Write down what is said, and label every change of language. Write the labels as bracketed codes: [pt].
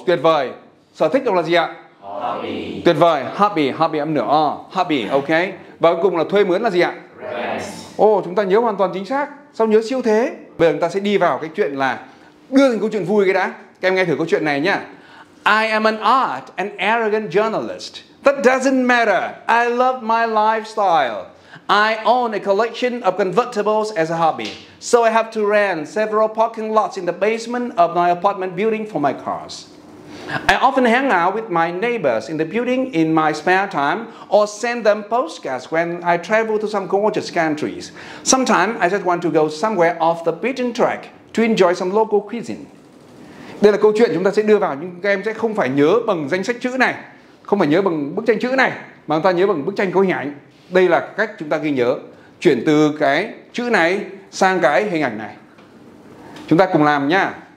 [vi] tuyệt vời. Sở thích đọc là gì ạ? [en] Hobby. [vi] Tuyệt vời, hobby, hobby âm nửa o. Hobby, ok. Và cuối cùng là thuê mướn là gì ạ? [en] Rent. [vi] Ồ, chúng ta nhớ hoàn toàn chính xác. Sao nhớ siêu thế? Bây giờ chúng ta sẽ đi vào cái chuyện là đưa thành câu chuyện vui cái đã. Các em nghe thử câu chuyện này nhá. [en] I am an odd and arrogant journalist. That doesn't matter. I love my lifestyle. I own a collection of convertibles as a hobby. So I have to rent several parking lots in the basement of my apartment building for my cars. I often hang out with my neighbors in the building in my spare time or send them postcards when I travel to some gorgeous countries. Sometimes I just want to go somewhere off the beaten track to enjoy some local cuisine. [vi] Đây là câu chuyện chúng ta sẽ đưa vào, nhưng các em sẽ không phải nhớ bằng danh sách chữ này. không phải nhớ bằng bức tranh chữ này mà chúng ta nhớ bằng bức tranh có hình ảnh. Đây là cách chúng ta ghi nhớ, chuyển từ cái chữ này sang cái hình ảnh này. Chúng ta cùng làm nhá.